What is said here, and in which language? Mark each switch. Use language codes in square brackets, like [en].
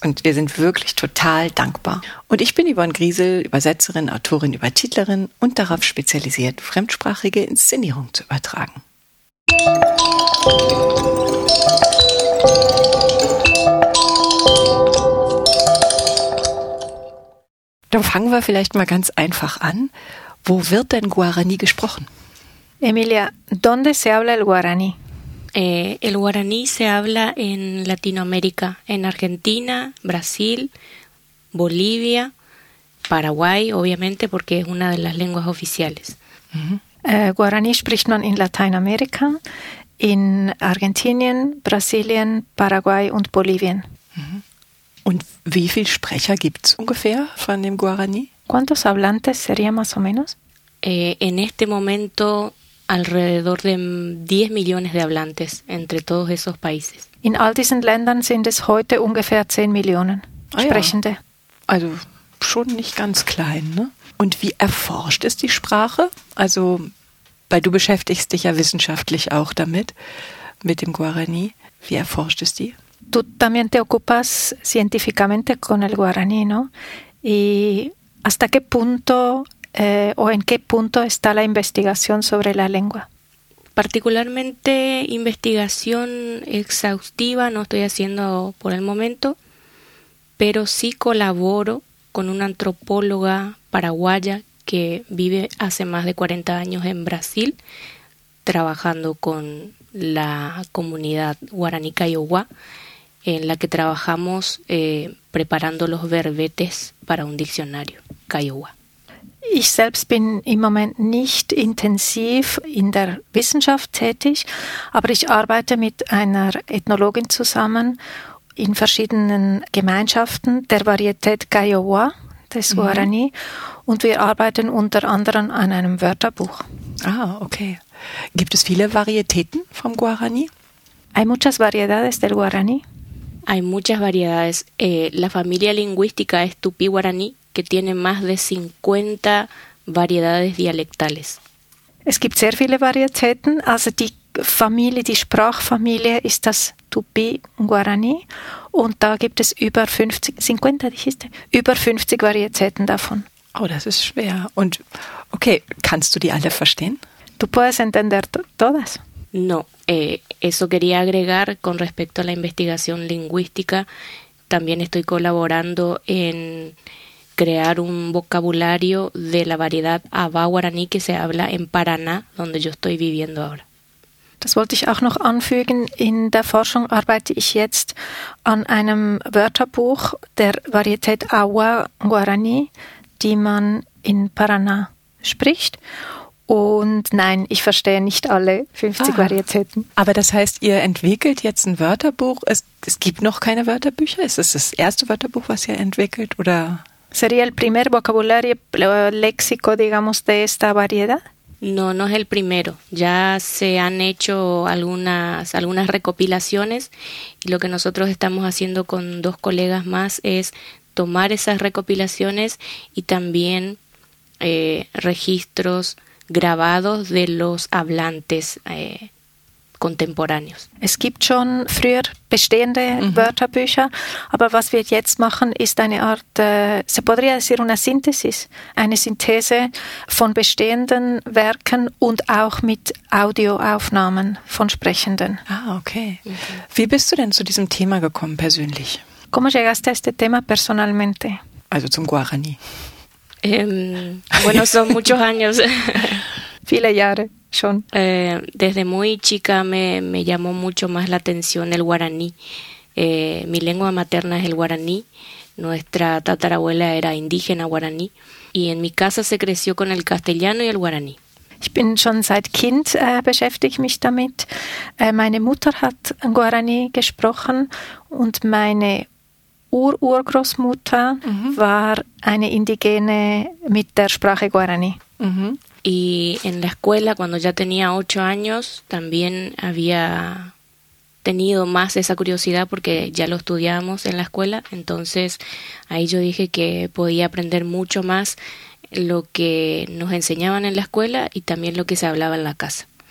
[de] Und wir sind wirklich total dankbar. Und ich bin Yvonne Griesel, Übersetzerin, Autorin, Übertitlerin und darauf spezialisiert, fremdsprachige Inszenierungen zu übertragen. Dann fangen wir vielleicht mal ganz einfach an. Wo wird denn Guarani gesprochen? [es] Emilia, ¿dónde se habla el Guarani? El Guarani se habla en Latinoamérica, en Argentina, Brasil, Bolivia, Paraguay, obviamente, porque es una de las lenguas oficiales. [de] Guarani spricht man in Lateinamerika, in Argentinien, Brasilien, Paraguay und Bolivien. Und wie viele Sprecher gibt es ungefähr von dem Guarani? [es] ¿Cuántos hablantes sería más o menos? En este momento alrededor de 10 millones de hablantes entre todos esos países. [de] In all diesen Ländern sind es heute ungefähr 10 Millionen Sprechende. Ja. Also schon nicht ganz klein, ne? Und wie erforscht ist die Sprache? Also, weil du beschäftigst dich ja wissenschaftlich auch damit, mit dem Guarani. Wie erforscht es die? [es] Tú también te ocupas científicamente con el guaraní, ¿no? ¿Y hasta qué punto o en qué punto está la investigación sobre la lengua? Particularmente investigación exhaustiva no estoy haciendo por el momento, pero sí colaboro con una antropóloga paraguaya que vive hace más de 40 años en Brasil, trabajando con la comunidad guaraní Kaiowá, en la que trabajamos preparando los verbetes para un diccionario, Kaiowá. [de] Ich selbst bin im Moment nicht intensiv in der Wissenschaft tätig, aber ich arbeite mit einer Ethnologin zusammen in verschiedenen Gemeinschaften der Varietät Kaiowá, des Guarani, und wir arbeiten unter anderem an einem Wörterbuch. Ah, okay. Gibt es viele Varietäten vom Guarani? [es] Hay muchas variedades del Guarani. Hay muchas variedades. La familia lingüística es tupí-guaraní, que tiene más de 50 variedades dialectales. [de] Es gibt sehr viele Varietäten. Also die Familie, die Sprachfamilie ist das tupí-guaraní. Und da gibt es über 50 Varietäten davon. Oh, das ist schwer. Und okay, kannst du die alle verstehen? [es] Tú puedes entender todas. No, eso quería agregar con respecto a la investigación lingüística. También estoy colaborando en crear un vocabulario de la variedad Aba guaraní que se habla en Paraná, donde yo estoy viviendo ahora. [de] Das wollte ich auch noch anfügen. In der Forschung arbeite ich jetzt an einem Wörterbuch der Varietät Awa guaraní, die man in Paraná spricht. Und nein, ich verstehe nicht alle 50 Varietäten. Aber das heißt, ihr entwickelt jetzt ein Wörterbuch. Es gibt noch keine Wörterbücher? Ist es das erste Wörterbuch, was ihr entwickelt? Oder? [es] ¿Sería el primer vocabulario léxico, digamos, de esta variedad? No, no es el primero. Ya se han hecho algunas recopilaciones y lo que nosotros estamos haciendo con dos colegas más es tomar esas recopilaciones y también registros grabados de los hablantes contemporáneos. [de] Es gibt schon früher bestehende Wörterbücher, aber was wir jetzt machen, ist eine Art, [es] se podría decir una síntesis, [de] eine Synthese von bestehenden Werken und auch mit Audioaufnahmen von Sprechenden. Ah, okay. Wie bist du denn zu diesem Thema gekommen, persönlich? [es] ¿Cómo llegaste a este tema personalmente? [de] Also zum Guarani. [es] Bueno, son muchos años. [de] Viele Jahre schon. [es] Desde muy chica me llamó mucho más la atención el guaraní. Mi lengua materna es el guaraní. Nuestra tatarabuela era indígena guaraní. Y en mi casa se creció con el castellano y el guaraní. [de] Ich bin schon seit Kind beschäftige mich damit. Meine Mutter hat Guarani gesprochen und meine Ur-Urgroßmutter war eine Indigene mit der Sprache Guarani. [es] Y en la escuela, cuando ya tenía 8 años, también había tenido más esa curiosidad porque ya lo estudiábamos en la escuela. Entonces, ahí yo dije que podía aprender mucho más lo que nos enseñaban en la escuela y también lo que se hablaba en la casa.